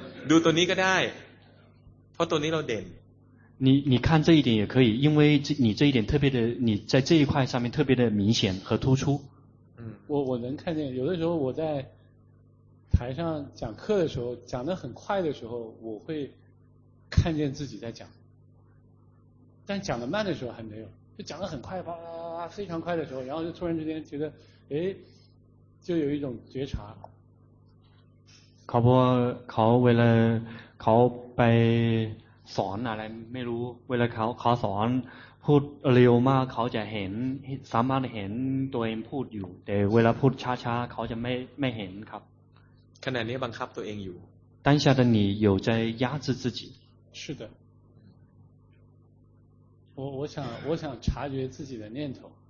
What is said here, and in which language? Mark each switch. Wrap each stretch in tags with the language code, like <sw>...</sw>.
<th>ดูตัวนี้ก็ได้เพราะตัวนี้เราเด่น</th> <zh>你看这一点也可以因为你这一点特别的你在这一块上面特别的明显和突出我能看见有的时候我在台上讲课的时候讲得很快的时候我会看见自己在讲但讲得慢的时候还没有就讲得很快非常快的时候然后就突然之间觉得诶就有一种觉察考为了考被</zh> <th>สอนอะไรไม่รู้เวลาเขาสอนพูดเร็วมากเขาจะเห็นสามารถเห็นตัวเองพูดอยู่แต่เวลาพูดช้าๆเขาจะไม่เห็นครับ ขณะนี้บังคับตัวเองอยู่</th> <zh>当下的你有在压制自己是的我想察觉自己的念头</zh>